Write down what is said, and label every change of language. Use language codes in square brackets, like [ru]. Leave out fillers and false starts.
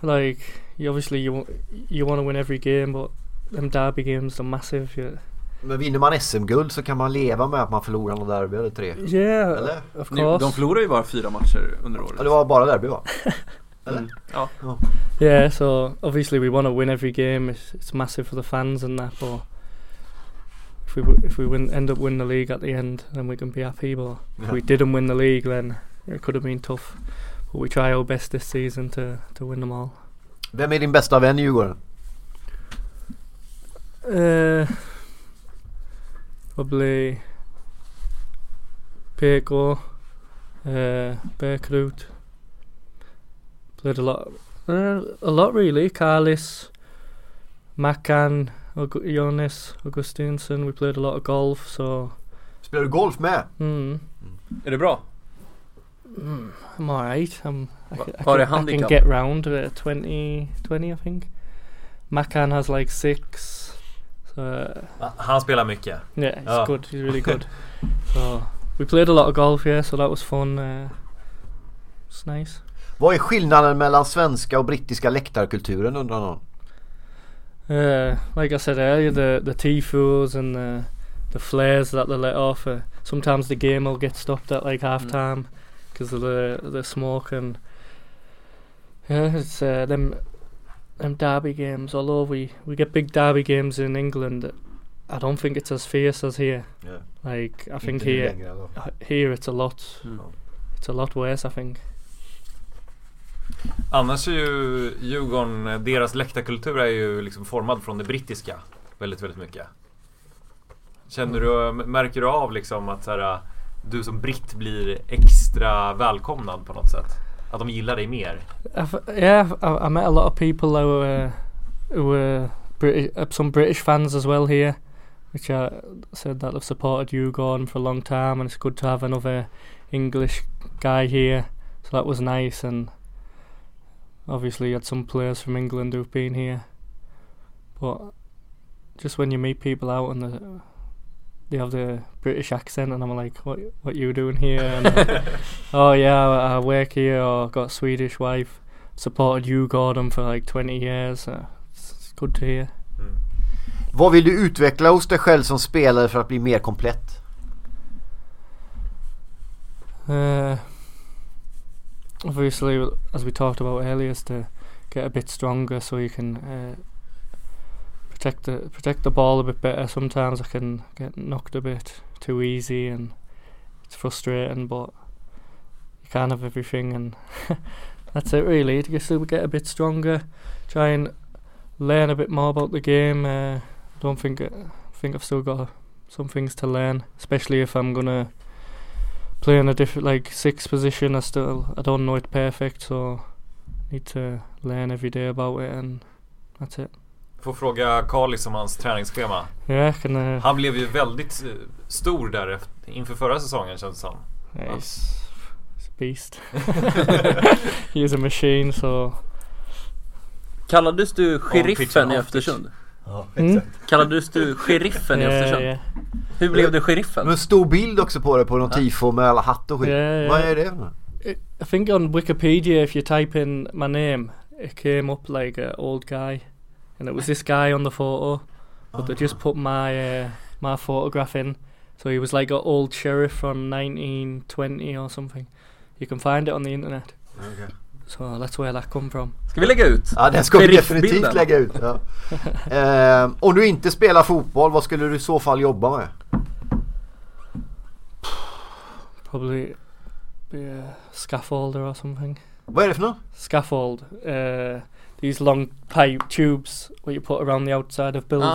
[en] Like, obviously you want to win every game, but them derby games are massive. Yeah. [sv] Men vinner man SM-guld så kan man leva med att man förlorar något derby eller tre. [en] Yeah, of course. [sv] De förlorade ju bara fyra matcher under året. Ja, det var bara derby, va? [en] Yeah, so obviously we want to win every game. It's massive for the fans and that, but if we end up winning the league at the end, then we can be happy. But if we didn't win the league, then it could have been tough. But we try our best this season to win them all. [sv] Vem är din bästa vän, Djurgården? [en] Probably Peko, Bearcroot. Played a lot really. Carlis, Macan, Jonas, Augustinsson. We played a lot of golf, so. [sv] Spelar du golf med? Är det bra? [en] I'm alright. I can get round 20, I think. Macan has like 6. [sv] Han spelar mycket. [en] Yeah, he's good. He's really good. So we played a lot of golf, yeah. So that was fun. It's nice. [sv] Vad är skillnaden mellan svenska och brittiska läktarkulturen, undrar någon? [en] Like I said earlier, the tifos and the flares that they let off. Sometimes the game will get stopped at like halftime because of the smoke, and yeah, it's them derby games. Although we get big derby games in England, I don't think it's as fierce as here. Yeah. Like, I think here it's a lot. Mm. It's a lot worse, I think. [sv] Annars är ju Djurgården, deras läktarkultur är ju liksom formad från det brittiska väldigt, väldigt mycket. Känner du, märker du av liksom att så här, du som britt blir extra välkomnad på något sätt? Att de gillar dig mer? [en] Yeah, I met a lot of people who were some British fans as well here, which I said that have supported Djurgården for a long time, and it's good to have another English guy here, so that was nice. And obviously you had some players from England who've been here, but just when you meet people out and they have the British accent and I'm like, what are you doing here? And oh yeah, I work here, or got a Swedish wife, supported you Gordon for like 20 years, it's good to hear. [sv] Vad vill du utveckla hos dig själv som spelare för att bli mer komplett? [en] Obviously, as we talked about earlier, is to get a bit stronger so you can protect the ball a bit better. Sometimes I can get knocked a bit too easy and it's frustrating, but you can't have everything, and that's it really. To get a bit stronger, try and learn a bit more about the game. I think I've still got some things to learn, especially if I'm gonna play in a different, like, sixth position. I don't know it perfect, so need to learn every day about it, and that's it. [sv] Får fråga Carlis om hans träningsschema. [en] Yeah, can I... [sv] Han blev ju väldigt stor där inför förra säsongen, känns det som. [en] Yeah, he's a beast. He's a machine, so... [sv] Kallades du sheriffen i Östersund? Ja, mm. Kallades du sheriffen i Östersund? [en] Yeah, yeah. [sv] Hur blev du sheriffen? Men stor bild också på det, på någon tifo med alla hatt och skit. [en] Yeah, yeah. [sv] Vad är det? [en] I think on Wikipedia, if you type in my name, it came up like an old guy, and it was this guy on the photo, but they just put my photograph in, so he was like an old sheriff from 1920 or something. You can find it on the internet. Okay. So that's where that come from. [sv] Ska vi lägga ut? Ja, den ska vi definitivt lägga ut. Ja. Om du inte spelar fotboll, vad skulle du i så fall jobba med? [en] Probably be a scaffolder or something. [sv] Vad är det för något? [en] Scaffold. These long pipe tubes where you put around the outside of buildings.